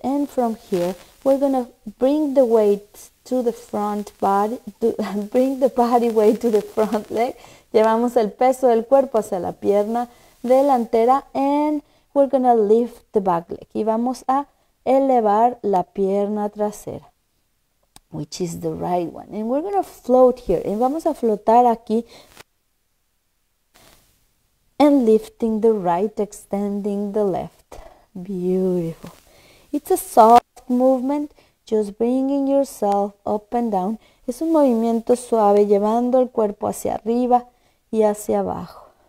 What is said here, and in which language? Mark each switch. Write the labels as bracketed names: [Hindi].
[English] And from here, we're going to bring the weight to the front body, bring the body weight to the front leg. [Spanish] Llevamos el peso del cuerpo hacia la pierna delantera. [English] And we're going to lift the back leg. [Spanish] Y vamos a elevar la pierna trasera, [English] which is the right one. And we're going to float here. [Spanish] Y vamos a flotar aquí. [English] And lifting the right, extending the left. Beautiful. It's a soft movement, just bringing yourself up and down. [Spanish] Es un movimiento suave, llevando el cuerpo hacia arriba y hacia abajo.